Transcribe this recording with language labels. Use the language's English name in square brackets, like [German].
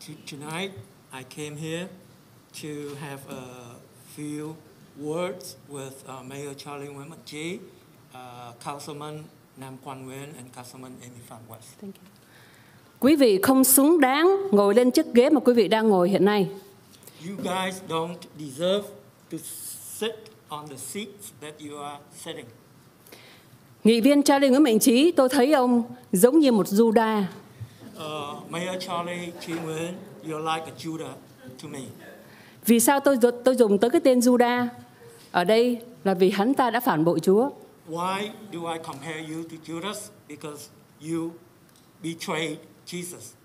[English] Tonight I came here to have a few words with Mayor Charlie Nguyễn Mạnh Chí, Councilman Nam Quan Nguyen and Councilman Amy Phan West. Thank you. [Vietnamese] Quý vị không xứng đáng ngồi lên chiếc ghế mà quý vị đang ngồi hiện nay. [English] You guys don't deserve to sit on the seats that you are sitting. [Vietnamese] Nghị viên Charlie Nguyễn Mạnh Chí, tôi thấy ông giống như một Juda. [English] Mayor Charlie Chí Nguyễn, you're like a Judah to me. [Vietnamese] Vì sao tôi dùng tới cái tên Juda? Ở đây là vì hắn ta đã phản bội Chúa. [English] Why do I compare you to Judas? Because you betrayed Jesus.